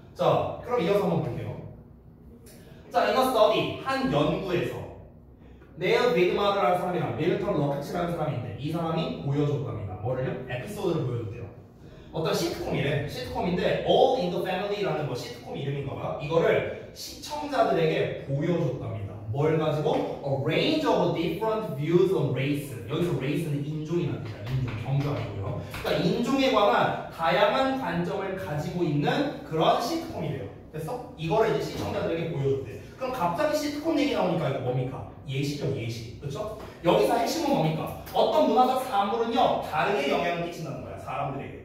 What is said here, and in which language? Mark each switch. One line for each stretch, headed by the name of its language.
Korean: 자, 그럼 이어서 한번 볼게요. 자,
English: in a study,
Korean: 한 연구에서 네일 비그마를 하는 사람이랑 밀턴 러크치라는 사람인데 이 사람이 보여줬답니다. 뭐를요? 에피소드를 보여줬대요. 어떤 시트콤이래. 시트콤인데 All in the Family라는 거 시트콤 이름인가 봐요. 이거를 시청자들에게 보여줬답니다. 뭘 가지고?
English: A range of different views on race.
Korean: 여기서 race는 인종이란 뜻이야. 인종, 경주 아니고요. 그러니까 인종에 관한 다양한 관점을 가지고 있는 그런 시트콤이래요. 됐어? 이거를 이제 시청자들에게 보여줬대. 그럼 갑자기 시트콤 얘기 나오니까 이거 뭡니까? 예시죠, 예시. 그렇죠? 여기서 핵심은 뭡니까? 어떤 문화적 사물은요 다르게 영향을 끼친다는 거야, 사람들에게.